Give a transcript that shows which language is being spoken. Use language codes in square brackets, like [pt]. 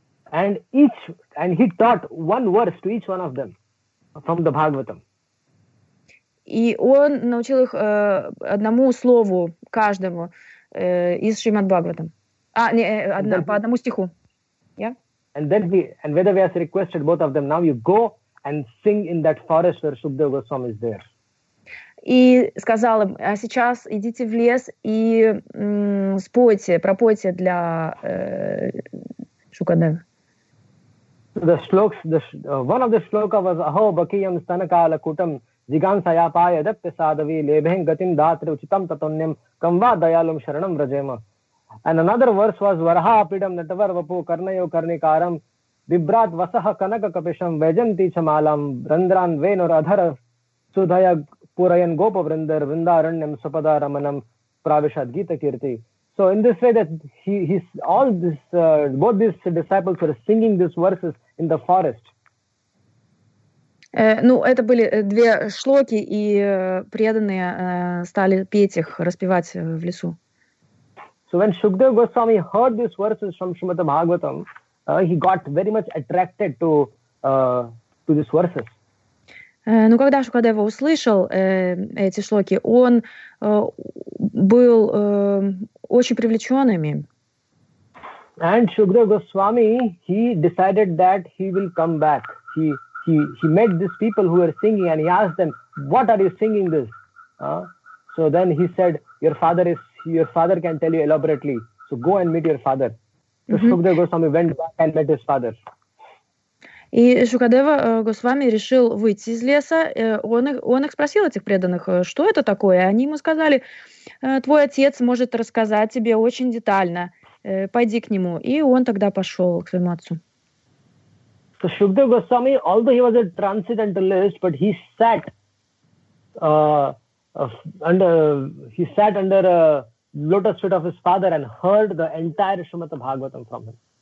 [en] And he taught one verse to each one of them from the Bhagavatam. [ru] И он научил их одному слову каждому из Шримад Бхагаватам. А, не, одна, по одному стиху. [en] Yeah? And then and Vedavyas requested both of them, now you go and sing in that forest where Shukadeva Goswami is there. [ru] И сказал им, а сейчас идите в лес и спойте, пропойте для Шукадевы. [en] The shlokas, one of the shloka was [sa] Aho Bakiyam Stanakala Kutam Jigansaya Paya Dapya Sadavi Lebhang Gatim Datra Uchitam Tatunyam Kamva Dayalum Sharanam Rajema. [en] And another verse was [sa] Varaha Pidam Natavar Vapu Karnayo Karnikaram Vibrat Vasaha Kanaka Kapisham Vajanti Chamalam Vrandran Venur Adhara Sudhaya Purayan Gopa Vrindar Vrindaranyam Supada Ramanam Pravishad Gita Kirti. [en] So in this way that he's all this both these disciples were singing these verses in the forest. [ru] Ну, это были две шлоки, и преданные стали петь их, распевать в лесу. [en] So when Shukadeva Goswami heard these verses from Shrimati Bhagavatam, he got very much attracted to these verses. [ru] Ну, когда Шукадева услышал эти шлоки, он был очень привлечен ими. [en] And Shukadeva Goswami, he decided that he will come back. He met these people who were singing and he asked them, what are you singing this? So then he said, your father can tell you elaborately. So go and meet your father. So Shukadeva Goswami went back and met his father. [ru] И Шукадева Госвами решил выйти из леса. Он их спросил, этих преданных, что это такое. Они ему сказали, твой отец может рассказать тебе очень детально. Пойди к нему. И он тогда пошел к своему отцу. [en] So Shukadeva Goswami, although he was a transcendentalist, but he sat under a lotus feet of his father and heard the entire Shrimad Bhagavatam from him.